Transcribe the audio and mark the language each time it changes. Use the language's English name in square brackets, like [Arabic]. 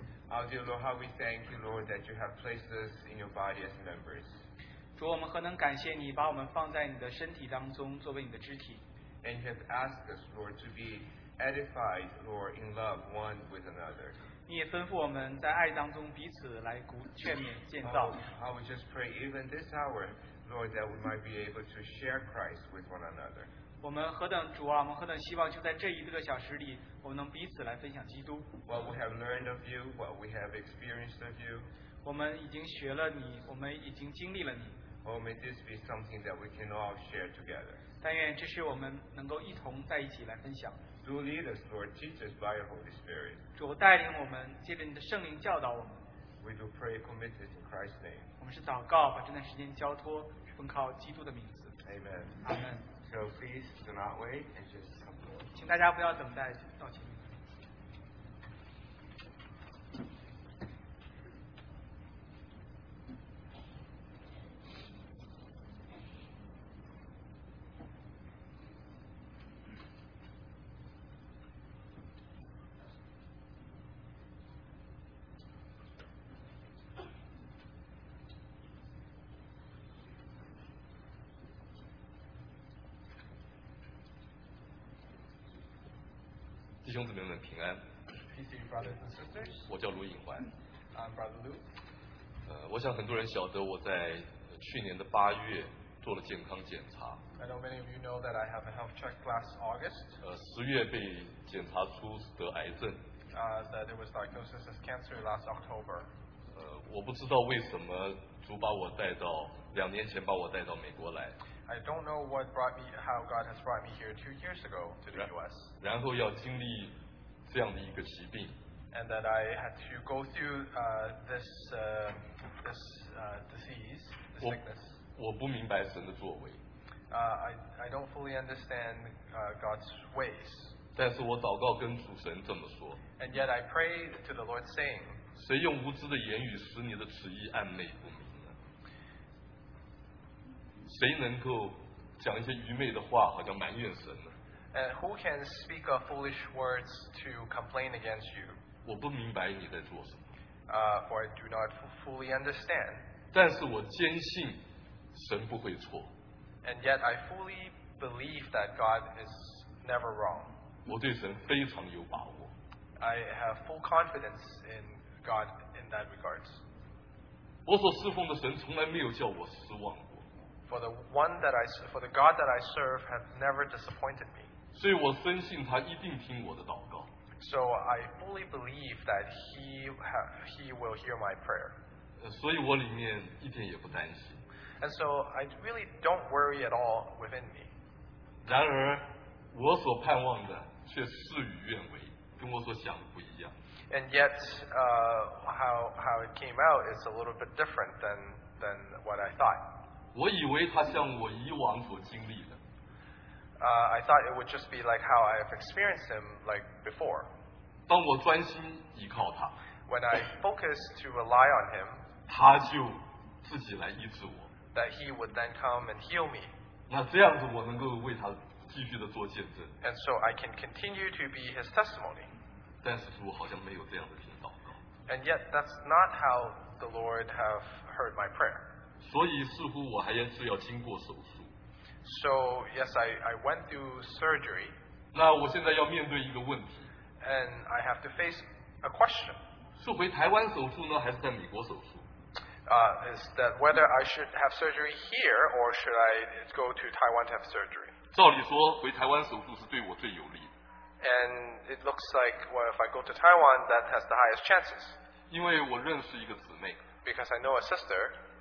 [English] Our dear Lord, how we thank you, Lord, that you have placed us in your body as members. [Chinese] 主，我们何能感谢你把我们放在你的身体当中，作为你的肢体。 [English] And you have asked us, Lord, to be edified, Lord, in love one with another. [Chinese] 你也吩咐我们在爱当中彼此来劝勉建造。 [English] I would just pray even this hour, Lord, that we might be able to share Christ with one another. [Chinese] 我们何等主啊，我们何等希望就在这一个小时里，我们能彼此来分享基督。 [English] What we have learned of you, what we have experienced of you. [Chinese] 我们已经学了你，我们已经经历了你。 [English] Oh, may this be something that we can all share together. [Chinese] 但愿这是我们能够一同在一起来分享。 [English] Do lead us, Lord, teach us by your Holy Spirit. [Chinese] 主带领我们，借着你的圣灵教导我们。 [English] We do pray, commit this in Christ's name. [Chinese] 我们是祷告，把这段时间交托，奉靠基督的名字。 [English] Amen. Amen. So please do not wait and just come forward. [Chinese] 请大家不要等待，到前面。弟兄姊妹们平安。 [English] Peace to you, brothers and sisters. [Chinese] 我叫卢颖怀。 [English] I'm Brother Lu. [Chinese] 我想很多人晓得我在去年的八月做了健康检查。 [English] I know many of you know that I have a health check last August. [Chinese] 十月被检查出得癌症。 [English] That there was diagnosis of cancer last October. [Chinese] 我不知道为什么主把我带到两年前把我带到美国来。 [English] I don't know what brought me, how God has brought me here 2 years ago to the U.S. [Chinese] 然后要经历这样的一个疾病。 [English] And that I had to go through this disease, this sickness. [Chinese] 我不明白神的作为。 [English] I don't fully understand God's ways. [Chinese] 但是我祷告跟主神这么说。 [English] And yet I pray to the Lord saying, [Chinese] 谁用无知的言语使你的旨意暧昧不明？谁能够讲一些愚昧的话，好像埋怨神呢？ [English] And who can speak of foolish words to complain against you? [Chinese] 我不明白你在做什么。 [English] For I do not fully understand. [Chinese] 但是我坚信神不会错。 [English] And yet I fully believe that God is never wrong. [Chinese] 我对神非常有把握。 [English] I have full confidence in God in that regards. [Chinese] 我所侍奉的神从来没有叫我失望。 [English] For the God that I serve has never disappointed me. [Chinese] 所以我深信他一定听我的祷告。 [English] So I fully believe that he will hear my prayer. [Chinese] 所以我里面一点也不担心。 [English] And so I really don't worry at all within me. [Chinese] 然而我所盼望的却事与愿违，跟我所想的不一样。 [English] And yet, how it came out is a little bit different than what I thought. [Chinese] 我以为他像我以往所经历的。 [English] I thought it would just be like how I have experienced him like before. [Chinese] 当我专心依靠他。 [English] When I focus to rely on him. [Chinese] 他就自己来医治我。 [English] That he would then come and heal me. [Chinese] 那这样子我能够为他继续的做见证。 [English] And so I can continue to be his testimony. [Chinese] 但是主好像没有这样的听祷告。 [English] And yet that's not how the Lord have heard my prayer. [Chinese] 所以似乎我还是要经过手术。 [English] So yes, I went through surgery. [Chinese] 那我现在要面对一个问题。 [English] And I have to face a question. [Chinese] 是回台湾手术呢，还是在美国手术？ [English] Is that whether I should have surgery here or should I go to Taiwan to have surgery? [Chinese] 照理说回台湾手术是对我最有利。 [English] And it looks like well, if I go to Taiwan, that has the highest chances. [Chinese] 因为我认识一个姊妹。 [English] Because I know a sister.